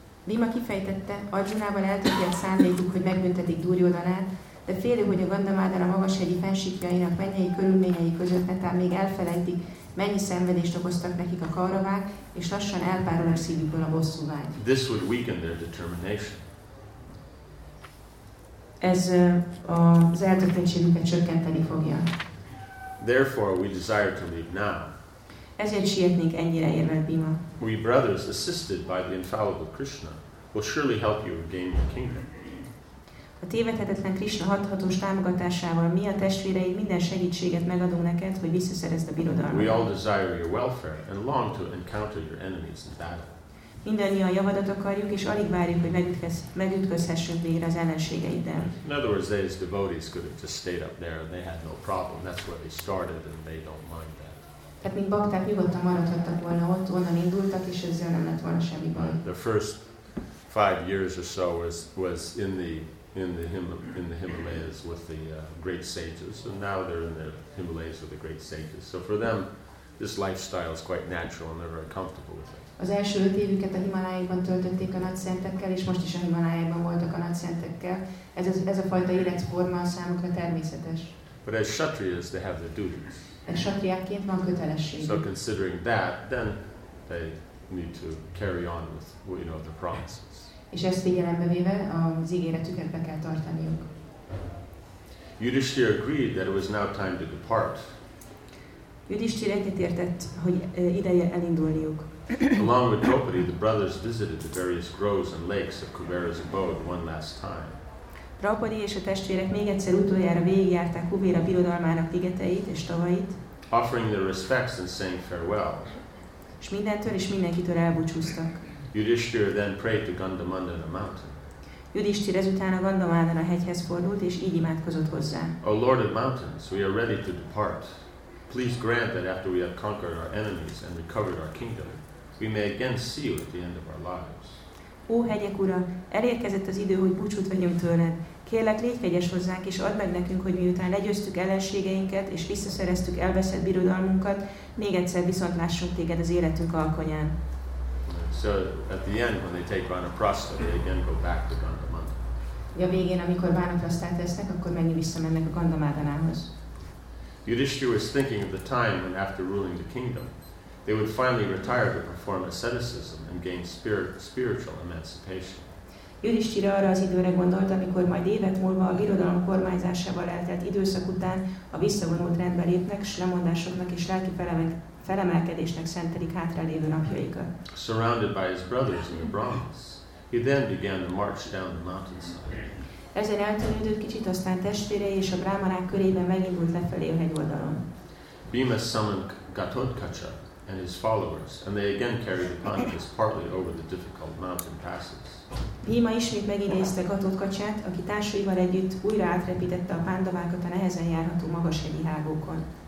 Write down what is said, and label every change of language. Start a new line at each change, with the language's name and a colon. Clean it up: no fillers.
Hungarian: Bhima kifejtette, Arjunával eltűnt a szándékuk, hogy megbüntetik Duryodhanát, de félő, hogy a Gandamádára magas hegyi fensíkjainak mennyei körülményei között netán még elfelejtik, mennyi szenvedést okoztak nekik a kauravák, és lassan elpárol a szívükből a bosszúvágy.
English: This would weaken their determination.
Hungarian: Ez az eltökéltségüket csökkenteni fogja.
English: Therefore, we desire to leave now.
Hungarian: Ezért sietnék ennyire, érvelt Bhima.
English: We brothers, assisted by the infallible Krishna, will surely help you regain your kingdom.
Hungarian: A tévedhetetlen Krishna hathatós támogatásával mi a testvéreid minden segítséget megadunk neked, hogy visszaszerezd a birodalmat.
English: We all desire your welfare and long to encounter your enemies in battle.
Hungarian: Mindannyian javadat akarjuk, és alig várjuk, hogy megütközhessünk végre az ellenségeiddel.
English: In other words, they as devotees could have just stayed up there and they had no problem. That's where they started and they don't mind that.
Hungarian: Tehát mint bakták nyugodtan maradhattak volna ott, onnan indultak, és ezzel nem lett volna semmi baj.
English: The first 5 years or so was in the Himalayas with the great sages, and now they're in the Himalayas with the great sages. So for them, this lifestyle is quite natural, and they're very comfortable with it.
Hungarian: Az első 5 évüket a Himalájában töltötték a nagy szentekkel, és most is a Himalájában voltak a nagy szentekkel. Ez a fajta életforma a számukra természetes.
English: But as kshatriyas, they have their duties.
Hungarian: Egy kshatriyaként van kötelességük.
English: So considering that, then they need to carry on with, you know, the promises.
Hungarian: És ezt figyelembe véve az ígéretüket be kell tartaniuk.
English: Yudhishthira agreed that it was now time to depart.
Hungarian: Yudhishthira egyetértett, hogy ideje elindulniuk.
English: Along with Draupadi, the brothers visited the various groves and lakes of Kuvera's abode one last time.
Hungarian: Draupadi és a testvérek még egyszer utoljára végigjárták Kuvera birodalmának ligeteit és tavait.
English: Offering their respects and saying farewell.
Hungarian: És mindentől és mindenkitől elbúcsúztak.
English: Yudhishthira then prayed to Gandamandana mountain.
Hungarian: Yudhishthira ezután a Gandamandana hegyhez fordult és így imádkozott hozzá.
English: O Lord of mountains, we are ready to depart. Please grant that after we have conquered our enemies and recovered our kingdom, we may again see you at the end of our lives.
Hungarian: Ó hegyek ura, elérkezett az idő, hogy búcsút vegyünk tőled. Kérlek, légy kegyes hozzánk, és add meg nekünk, hogy miután legyőztük ellenségeinket és visszaszereztük elveszett birodalmunkat, még egyszer viszont lássunk téged az életünk alkonyán.
English: So at the end, when they take Vanaprastha, they again go back to Gandamandana.
Hungarian: Ja, végén, amikor Vanaprasthát tesznek, akkor megint visszamennek a Gandamádanához.
English: Yudhishthira was thinking of the time when, after ruling the kingdom, they would finally retire to perform asceticism and gain spiritual emancipation.
Hungarian: Yudhishthira arra az időre gondolt, amikor majd évek múlva a birodalom kormányzásával eltelt időszak után a visszavonult rendbe lépnek, s lemondásoknak és lelki felemelkedésnek szentelik hátralévő napjaikat.
English: Surrounded by his brothers and the Brahmins, he then began to march down the mountainside.
Hungarian: Ezen eltűnődött kicsit, aztán testvérei és a brámanák körében megindult lefelé a hegyoldalon.
English: Bhima summoned Ghatotkacha and his followers, and they again carried the pandavas partly over the difficult mountain passes.
Hungarian: Bhima ismét megidézte Ghatotkachát, aki társaival együtt újra átrepítette a pándavákat a nehezen járható magas hegyi hágókon.